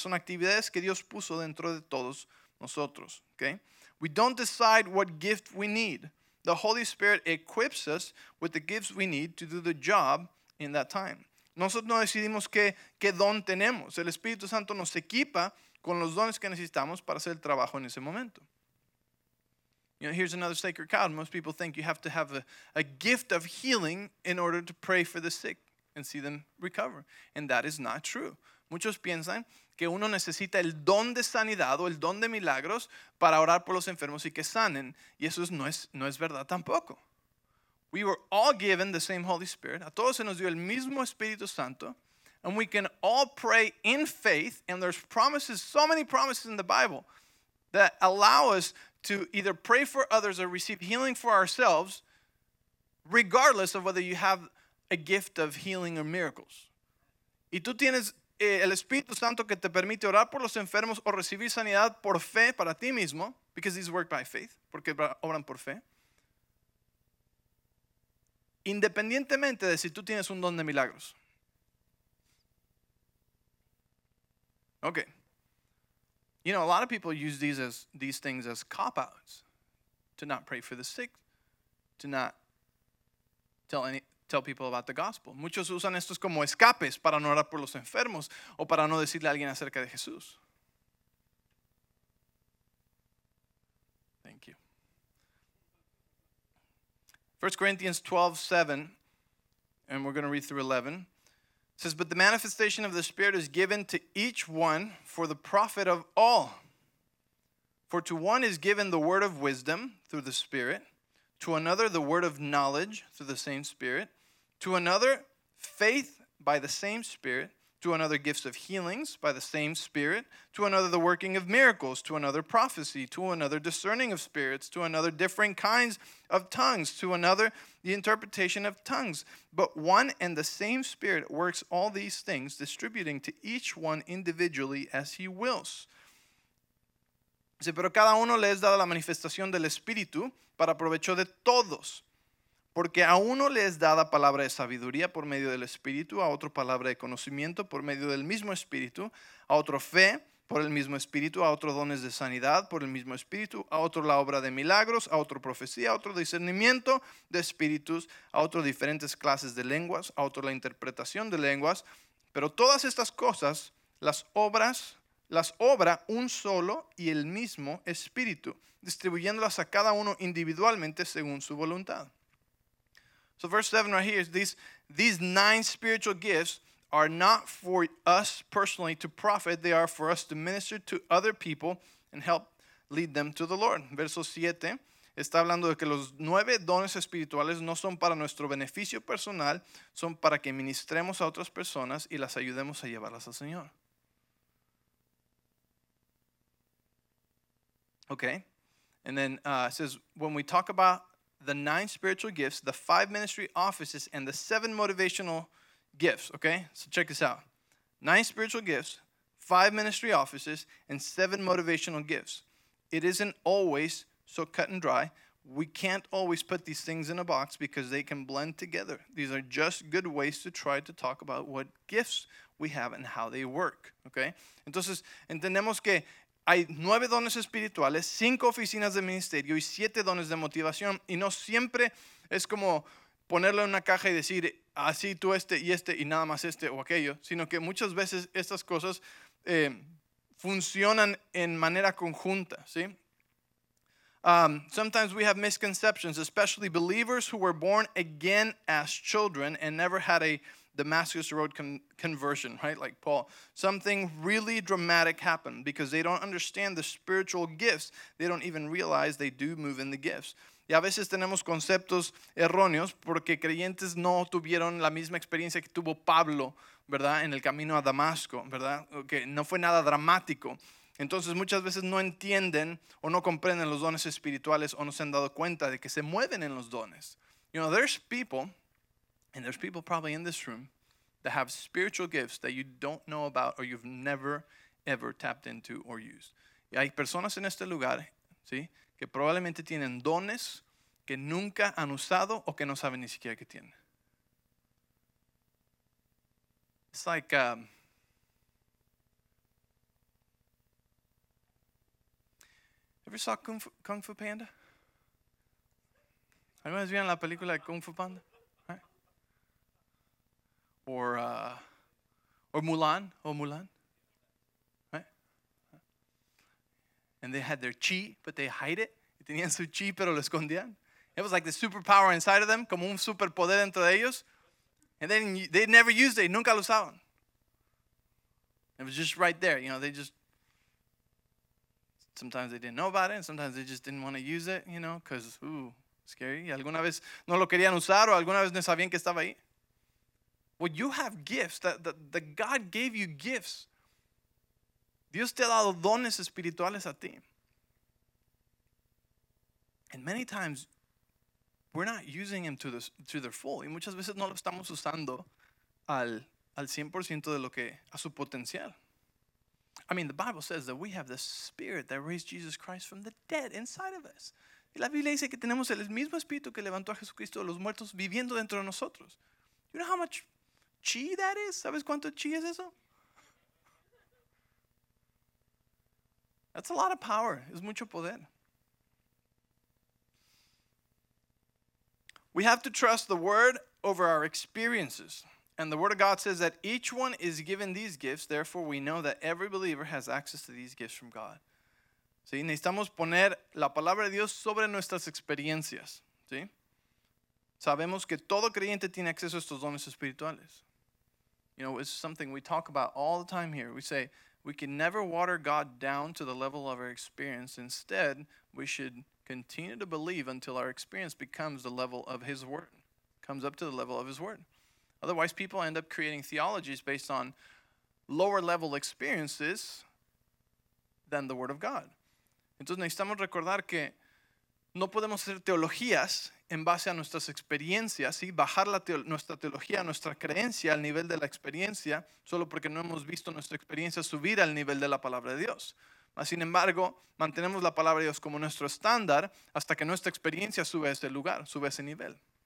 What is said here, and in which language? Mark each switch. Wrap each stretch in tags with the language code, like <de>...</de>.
<es>Son actividades que Dios puso dentro de todos nosotros, okay?</es> <en>We don't decide what gift we need. The Holy Spirit equips us with the gifts we need to do the job in that time.</en> <es>Nosotros no decidimos qué don tenemos. El Espíritu Santo nos equipa con los dones que necesitamos para hacer el trabajo en ese momento.</es> <en>You know, here's another sacred cow. Most people think you have to have a gift of healing in order to pray for the sick and see them recover. And that is not true.</en> <es>Muchos piensan que uno necesita el don de sanidad o el don de milagros para orar por los enfermos y que sanen. Y eso no es verdad tampoco.</es> <en>We were all given the same Holy Spirit.</en> <es>A todos se nos dio el mismo Espíritu Santo.</es> <en>And we can all pray in faith. And there's promises, so many promises in the Bible that allow us to either pray for others or receive healing for ourselves, regardless of whether you have a gift of healing or miracles.</en> <es>Y tú tienes el Espíritu Santo que te permite orar por los enfermos o recibir sanidad por fe para ti mismo,</es> <en>because these work by faith,</en> <es>porque obran por fe. Independientemente de si tú tienes un don de milagros.</es> <en>Okay. You know, a lot of people use these things as cop-outs to not pray for the sick, to not tell people about the gospel.</en> <es>Muchos usan estos como escapes para no orar por los enfermos o para no decirle a alguien acerca de Jesús.</es> <en>Thank you. 1 Corinthians 12:7, and we're going to read through 11. It says, but the manifestation of the Spirit is given to each one for the profit of all. For to one is given the word of wisdom through the Spirit, to another the word of knowledge through the same Spirit, to another faith by the same Spirit, to another gifts of healings by the same Spirit, to another the working of miracles, to another prophecy, to another discerning of spirits, to another different kinds of tongues, to another the interpretation of tongues. But one and the same Spirit works all these things, distributing to each one individually as he wills.</en> <es>Dice, pero cada uno le es dada la manifestación del Espíritu para provecho de todos. Porque a uno le es dada palabra de sabiduría por medio del Espíritu, a otro palabra de conocimiento por medio del mismo Espíritu, a otro fe por el mismo Espíritu, a otro dones de sanidad por el mismo Espíritu, a otro la obra de milagros, a otro profecía, a otro discernimiento de espíritus, a otro diferentes clases de lenguas, a otro la interpretación de lenguas. Pero todas estas cosas las obra un solo y el mismo Espíritu, distribuyéndolas a cada uno individualmente según su voluntad.</es> <en>So verse 7 right here is these nine spiritual gifts are not for us personally to profit. They are for us to minister to other people and help lead them to the Lord. Verso 7 está hablando de que los nueve dones espirituales no son para nuestro beneficio personal, son para que ministremos a otras personas y las ayudemos a llevarlas al Señor. Okay. And then it says, when we talk about the nine spiritual gifts, the five ministry offices, and the seven motivational gifts. Okay, so check this out. Nine spiritual gifts, five ministry offices, and seven motivational gifts. It isn't always so cut and dry. We can't always put these things in a box because they can blend together. These are just good ways to try to talk about what gifts we have and how they work.</en> <es>Okay, entonces entendemos que hay nueve dones espirituales, cinco oficinas de ministerio y siete dones de motivación. Y no siempre es como ponerlo en una caja y decir, así tú este y este y nada más este o aquello. Sino que muchas veces estas cosas funcionan en manera conjunta, ¿sí?</es> <en>Sometimes we have misconceptions, especially believers who were born again as children and never had a Damascus Road conversion, right? Like Paul. Something really dramatic happened because they don't understand the spiritual gifts. They don't even realize they do move in the gifts.</en> <es>Y a veces tenemos conceptos erróneos porque creyentes no tuvieron la misma experiencia que tuvo Pablo, ¿verdad? En el camino a Damasco, ¿verdad? Okay. No fue nada dramático. Entonces muchas veces no entienden o no comprenden los dones espirituales o no se han dado cuenta de que se mueven en los dones.</es> <en>You know, there's people, and there's people probably in this room that have spiritual gifts that you don't know about or you've never, ever tapped into or used.</en> <es>Y hay personas en este lugar, ¿sí? Que probablemente tienen dones que nunca han usado o que no saben ni siquiera que tienen.</es> <en>It's like, ever saw Kung Fu Panda?</en> <es>¿Alguna vez vieron la película de Kung Fu Panda?</es> <en>Or Mulan, right? And they had their chi, but they hide it.</en> <es>Tenían su chi, pero lo escondían.</es> <en>It was like the superpower inside of them,</en> <es>como un superpoder dentro de ellos.</es> <en>And then they never used it.</en> <es>Nunca lo usaban.</es> <en>It was just right there. You know, they just, sometimes they didn't know about it, and sometimes they just didn't want to use it, you know, because, scary.</en> <es>Y alguna vez no lo querían usar, o alguna vez no sabían que estaba ahí.</es> <en>Well, you have gifts. That God gave you gifts.</en> <es>Dios te ha dado dones espirituales a ti.</es> <en>And many times, we're not using them to their full.</en> <es>Y muchas veces no lo estamos usando al 100% de lo que, a su potencial.</es> <en>I mean, the Bible says that we have the Spirit that raised Jesus Christ from the dead inside of us.</en> <es>Y la Biblia dice que tenemos el mismo Espíritu que levantó a Jesucristo de los muertos viviendo dentro de nosotros.</es> <en>You know how much chi that is?</en> <es>¿Sabes cuánto chi es eso?</es> <en>That's a lot of power.</en> <es>Es mucho poder.</es> <en>We have to trust the word over our experiences. And the word of God says that each one is given these gifts. Therefore, we know that every believer has access to these gifts from God.</en> <es>¿Sí? Necesitamos poner la palabra de Dios sobre nuestras experiencias. ¿Sí? Sabemos que todo creyente tiene acceso a estos dones espirituales.</es> <en>You know, it's something we talk about all the time here. We say we can never water God down to the level of our experience. Instead, we should continue to believe until our experience becomes the level of His Word, comes up to the level of His Word. Otherwise, people end up creating theologies based on lower level experiences than the Word of God.</en> <es>Entonces necesitamos recordar que no podemos hacer teologías en base a nuestras experiencias, ¿sí? Bajar nuestra teología, nuestra creencia al nivel de la experiencia, solo porque no hemos visto nuestra experiencia subir al nivel de la palabra de Dios. Sin embargo, mantenemos la palabra de Dios como nuestro estándar hasta que nuestra experiencia sube a ese lugar, sube a ese nivel.</es>